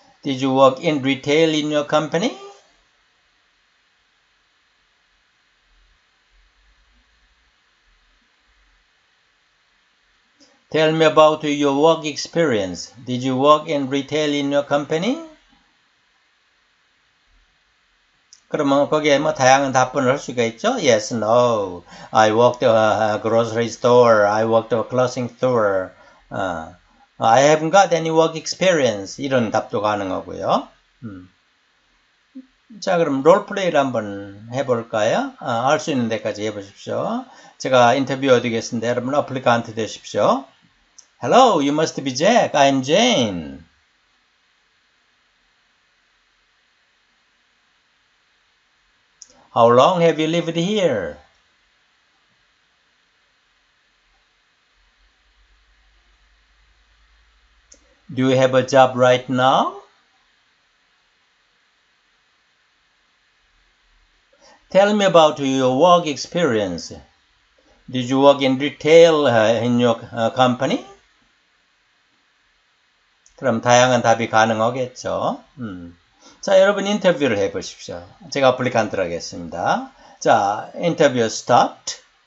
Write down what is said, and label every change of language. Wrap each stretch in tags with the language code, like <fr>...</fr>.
<en>Did you work in retail in your company? Tell me about your work experience. Did you work in retail in your company?</en> <ko>그러면 거기에 뭐 다양한 답변을 할 수가 있죠.</ko> <en>Yes, no. I worked a grocery store. I worked a clothing store. I haven't got any work experience.</en> <ko>이런 답도 가능하고요. 자, 그럼 롤플레이를 한번 해볼까요? 할 수 있는 데까지 해보십시오. 제가 인터뷰어 되겠습니다. 여러분 어플리칸트 되십시오.</ko> <en>Hello, you must be Jack. I'm Jane. How long have you lived here? Do you have a job right now? Tell me about your work experience. Did you work in retail in your company?</en> <ko>그럼 다양한 답이 가능하겠죠. 자, 여러분 인터뷰를 해보십시오. 제가 어플리칸트를 하겠습니다. 자, 인터뷰 스탑트.</ko>